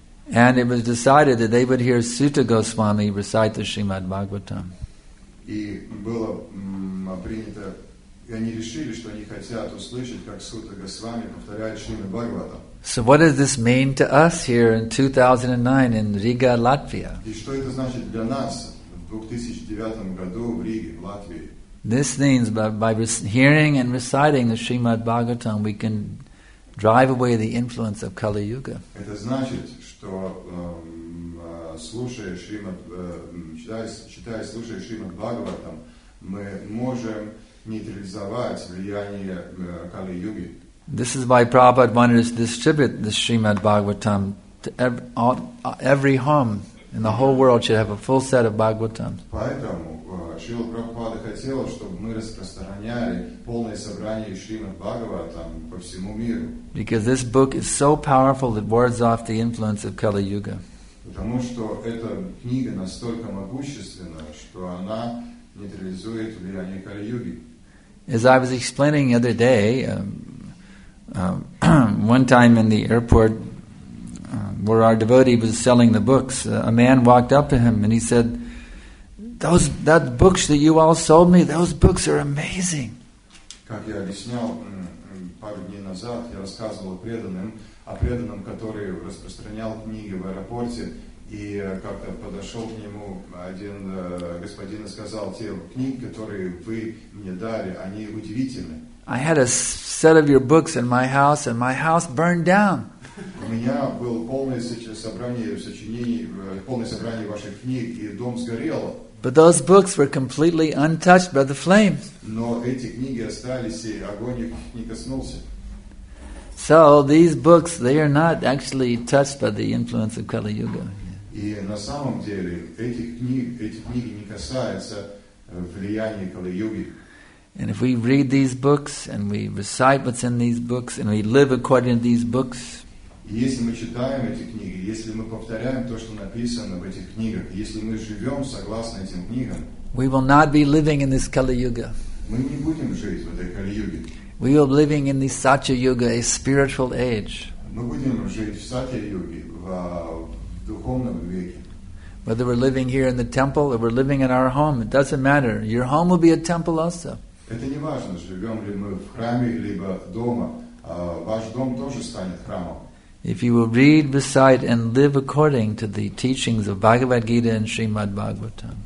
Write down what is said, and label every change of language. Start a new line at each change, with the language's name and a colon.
English: And it was decided that they would hear Sutta Goswami recite the Srimad Bhagavatam.
Russian: И было принято, и они решили, что они хотят услышать, как Сута Госвами повторяет Шримад Бхагаватам.
English: So what does this mean to us here in 2009 in Riga, Latvia?
Russian: И что это значит для нас в 2009 году в Риге, в Латвии?
English: This means by hearing and reciting the Srimad Bhagavatam, we can drive away the influence of Kali Yuga.
Russian: Это значит, что слушая Шримад, читая, слушая Шримад Бхагаватам, мы можем нейтрализовать влияние Кали Юги.
English: This is why Prabhupada wanted us to distribute the Shrimad Bhagavatam to every home in the whole world should have a full set of Bhagavatams.
Russian: Поэтому Шрила Прабхупада хотел, чтобы мы распространяли полное собрание Шримад Бхагаватам по всему миру.
English: Because this book is so powerful that wards off the influence of Kali Yuga.
Russian: Потому что эта книга настолько могущественна, что она нейтрализует влияние Кали Юги.
English: As I was explaining the other day, one time in the airport where our devotee was selling the books, a man walked up to him and he said, that books that you all sold me, those books are amazing.
Russian: Как я объяснял пару дней назад, я рассказывал о преданном, который распространял книги в аэропорте, и как-то подошел к нему один господин и сказал, те книги, которые вы мне дали, они удивительны.
English: I had a set of your books in my house, and my house burned down.
Russian: У меня было полное собрание ваших книг, и дом сгорел.
English: But those books were completely untouched by the flames.
Russian: Но эти книги остались, и огонь их не коснулся.
English: So these books, they are not actually touched by the influence of Kali Yuga.
Russian: И на самом деле эти книги не касаются влияния Кали Юги.
English: And if we read these books and we recite what's in these books and we live according to these books.
Russian: Если мы читаем эти книги, если мы повторяем то, что написано в этих книгах, если мы живем согласно этим книгам,
English: we will not be living in this Kali Yuga.
Russian: Мы не будем жить в этой Кали Юге.
English: We will be living in this Satya Yuga, a spiritual age.
Russian: Мы будем жить в Сатья Юге, в духовном веке.
English: Whether we're living here in the temple or we're living in our home, it doesn't matter. Your home will be a temple also.
Russian: Это не важно, живем ли мы в храме либо дома. Ваш дом тоже станет храмом.
English: If you will read, recite, and live according to the teachings of Bhagavad Gita and Srimad Bhagavatam.